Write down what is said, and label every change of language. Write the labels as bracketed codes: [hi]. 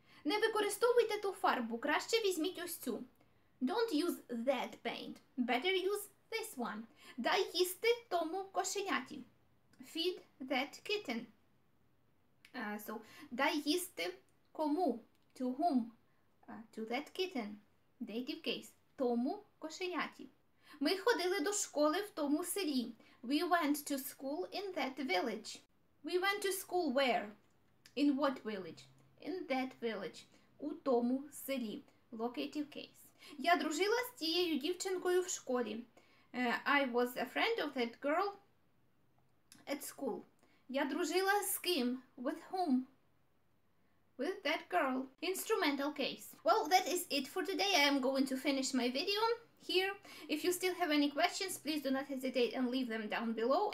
[uk] Не використовуйте ту фарбу, краще візьміть ось цю. [en] Don't use that paint, better use this one. [uk] Дай їсти тому кошеняті. [en] Feed that kitten. So, [uk] дай їсти кому, [en] to whom, to that kitten. Dative case, [uk] тому кошеняті. Ми ходили до школи в тому селі. [en] We went to school in that village. We went to school where? In what village? In that village. [uk] У тому селі. [en] Locative case. [uk] Я дружила з тією дівчинкою в школі. [en] I was a friend of that girl at school. [uk] Я дружила з ким? [en] With whom? With that girl. Instrumental case. Well, that is it for today. I am going to finish my video here. If you still have any questions, please do not hesitate and leave them down below.